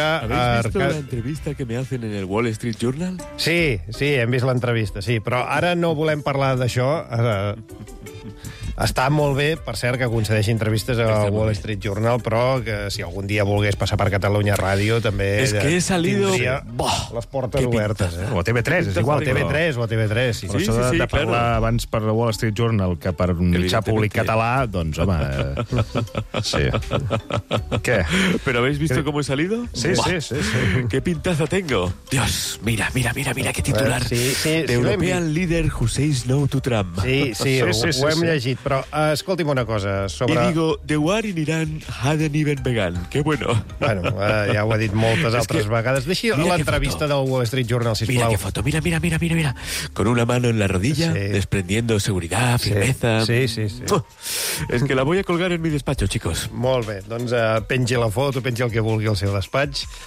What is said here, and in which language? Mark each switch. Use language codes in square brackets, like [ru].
[es] ¿Habéis visto la entrevista que me hacen en el Wall Street Journal? [ca] Sí, sí, hem vist l'entrevista, sí. Però ara no volem parlar d'això. Està molt bé, per cert, que concedeixi entrevistes a Wall Street Journal, però que si algun dia volgués passar per Catalunya Ràdio també... [es] És que he salido... [ca] Les portes obertes, eh? O a TV3, és igual, TV3 o a TV3. Sí, sí, sí, clar. De parlar abans per Wall Street Journal que per un mitjà públic català, doncs, home... Sí. Què? [es] ¿Pero habéis visto cómo he salido? [ca] Sí, sí, sí. [es] ¿Qué pintaza tengo? Dios, mira, mira, mira, mira, qué titular. [en] The European Leader Who Says No to Trump. [ca] Sí, sí, ho hem llegit. Però escolti'm una cosa sobre... [es] I digo, [en] the war in Iran hadn't even begun. [es] Que bueno. [ca] Bueno, ja ho he dit moltes altres vegades. Deixi l'entrevista del Wall Street Journal, sisplau. [es] Mira que foto, mira, mira, mira, mira, mira. Con una mano en la rodilla, sí. Desprendiendo seguridad, firmeza. Sí, sí, sí, sí. Es que la voy a colgar en mi despacho, chicos. [ca] Molt bé, doncs pengi la foto, pengi el que vulgui al seu despatx.